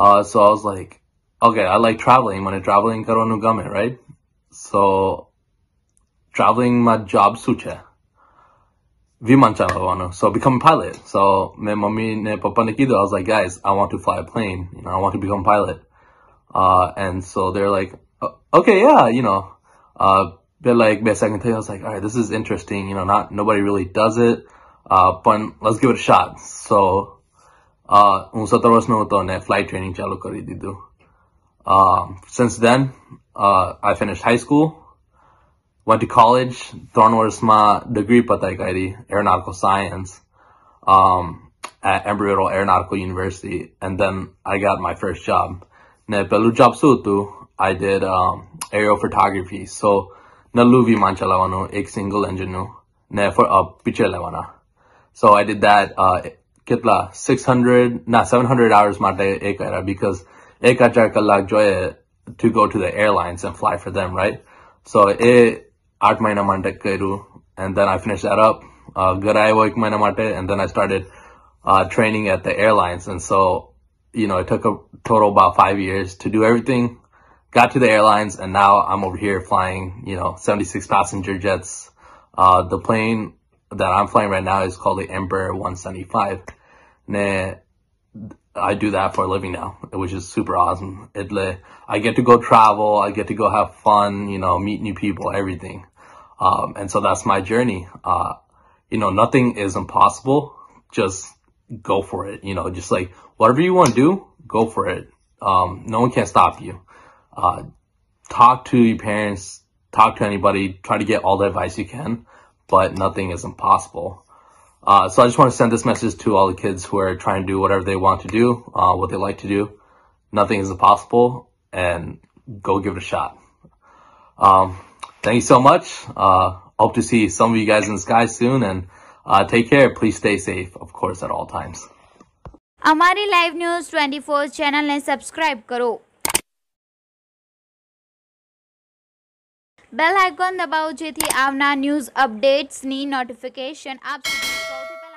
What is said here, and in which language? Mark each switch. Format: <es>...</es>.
<en>so I was like okay I like travelling,</en> <gu>મને travelling કરવાનું ગમે,</gu> <en>Right?</en> <gu>સો ટ્રાવેલિંગમાં job શું છે? વિમાન ચલાવવાનું.</gu> <en>So become pilot.</en> <gu>સો મેં મમ્મી ને પપ્પાને કીધું,</gu> <en>I was like guys I want to fly a plane, you know I want to become pilot. And so there like okay yeah you know But like, basically, I was like, all right, this is interesting. You know, not nobody really does it. But let's give it a shot.</en> <gu>So, un 17 vasno hoto ne flight training chalu kari didu.</gu> <en>Since then, I finished high school, went to college, Thornworth</en> <gu>ma degree patai kari,</gu> <en>aeronautical science, at Embry-Riddle Aeronautical University. And then I got my first job.</en> <gu>Ne pelu job su tu,</gu> <en>I did aerial photography.</en> <gu>So, નલ્લુ વિમાન ચલાવવાનું, એક single એન્જિનનું ને picture લેવાના.</gu> <en>so I did that</en> <gu>કેટલા 700 hours માટે એ કર્યા,</gu> <en>because</en> <gu>1000 કલાક જોઈએ</gu> <en>To go to the airlines and fly for them, right? So</en> <gu>એ 8 મહિના માટે કર્યું</gu> <en>And then I finish that up.</en> <gu>ઘરે આવ્યો 1 મહિના માટે</gu> <en>And then I started training at the airlines. And so you know it took a total about 5 years to do everything. Got to the airlines and now I'm over here flying, you know, 76 passenger jets. The plane that I'm flying right now is called the Embraer 175. Ne I do that for a living now, which is super awesome. I get to go travel, I get to go have fun, you know, meet new people, everything. And so that's my journey. You know, nothing is impossible. Just go for it, you know, just like whatever you want to do, go for it. No one can stop you. Talk to your parents, talk to anybody, try to get all the advice you can, but nothing is impossible. So I just want to send this message to all the kids who are trying to do whatever they want to do, what they like to do. Nothing is impossible, and go give it a shot. Thank you so much. Hope to see some of you guys in the sky soon, and take care. Please stay safe, of course, at all times.</en> <gu>અમારી live news 24 channel ને subscribe કરો. Bell icon દબાવો જેથી આવનાર news અપડેટ્સની notification આપ સુધી પહોંચે.</gu>